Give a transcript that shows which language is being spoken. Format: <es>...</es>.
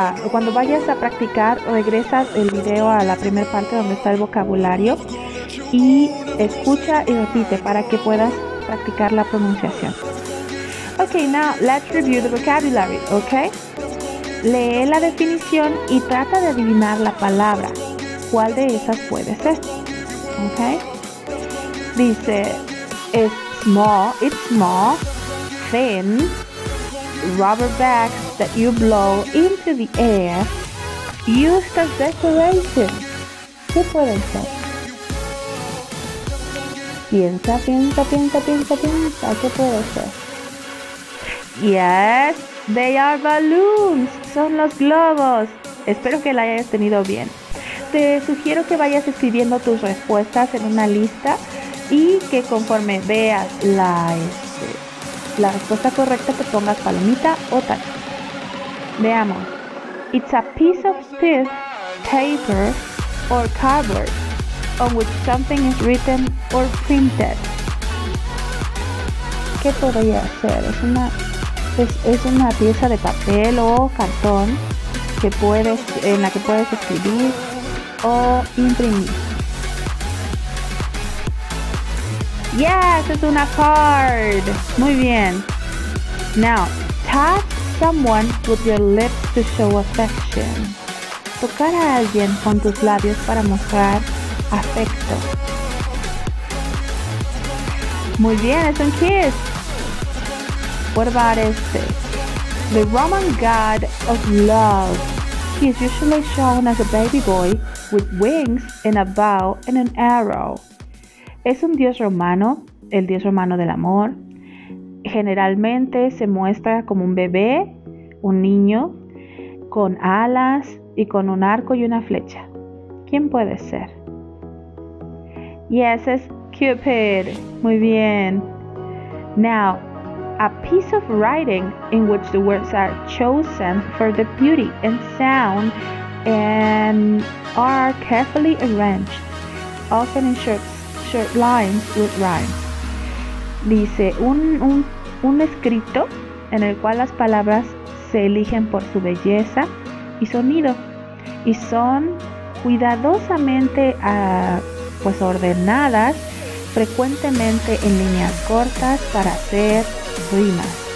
<es>Cuando vayas a practicar, regresas el video a la primera parte donde está el vocabulario y escucha y repite para que puedas practicar la pronunciación.</es> <en>Okay, now let's review the vocabulary, okay?</en> <es>Lee la definición y trata de adivinar la palabra. ¿Cuál de esas puede ser? Okay?</es> <en>Dice, it's small, thin, rubber bags that you blow into the air, used as decoration.</en> <es>¿Qué pueden ser? Piensa, ¿qué puede ser?</es> <en>Yes, they are balloons,</en> <es>son los globos. Espero que la hayas tenido bien. Te sugiero que vayas escribiendo tus respuestas en una lista y que conforme veas la respuesta correcta te pongas palomita o tal. Veamos.</es> <en>It's a piece of thin paper or cardboard on which something is written or printed.</en> <es>¿Qué podría ser? Es una pieza de papel o cartón en la que puedes escribir o imprimir. Yes, es una card. Muy bien.</es> <en>Now, touch someone with your lips to show affection.</en> <es>Tocar a alguien con tus labios para mostrar afecto. Muy bien, es un kiss.</es> <en>What about</en> <es>este?</es> <en>The Roman god of love. He is usually shown as a baby boy with wings and a bow and an arrow.</en> <es>Es un dios romano, el dios romano del amor. Generalmente se muestra como un bebé, un niño, con alas y con un arco y una flecha. ¿Quién puede ser? Yes, es Cupid. Muy bien.</es> <en>Now, a piece of writing in which the words are chosen for the beauty and sound and are carefully arranged, often in short lines with rhymes.</en> <es>Dice un escrito en el cual las palabras se eligen por su belleza y sonido, y son cuidadosamente ordenadas, frecuentemente en líneas cortas para hacer rimas.</es>